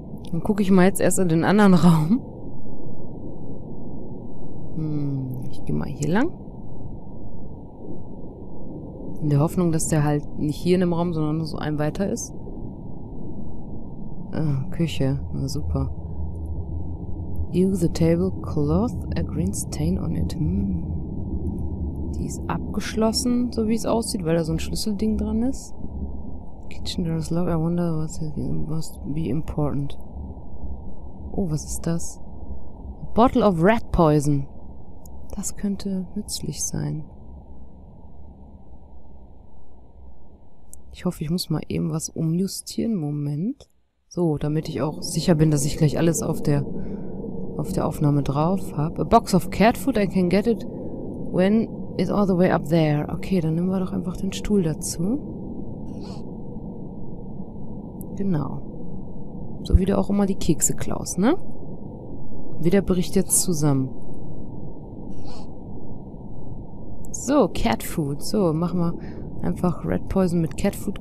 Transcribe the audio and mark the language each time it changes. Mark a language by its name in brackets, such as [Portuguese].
[German] Dann gucke ich mal jetzt erst in den anderen Raum. Ich gehe mal hier lang. In der Hoffnung, dass der halt nicht hier in dem Raum, sondern nur so ein weiter ist. Ah, Küche. Na, super. [English] Ew, the table cloth, a green stain on it. Hm. Die ist abgeschlossen, so wie es aussieht, weil da so ein Schlüsselding dran ist. Kitchen door is locked. I wonder what must be important. [German] Oh, was ist das? [English] A bottle of rat poison. [German] Das könnte nützlich sein. Ich hoffe, ich muss mal eben was umjustieren. Moment. So, damit ich auch sicher bin, dass ich gleich alles auf der Aufnahme drauf habe. [English] A box of cat food, I can get it when it's all the way up there. [German] Okay, dann nehmen wir doch einfach den Stuhl dazu. Genau. So wie du auch immer die Kekse klaust, ne? Wieder bricht jetzt zusammen. So, Cat Food. So, machen wir einfach Red Poison mit Cat Food.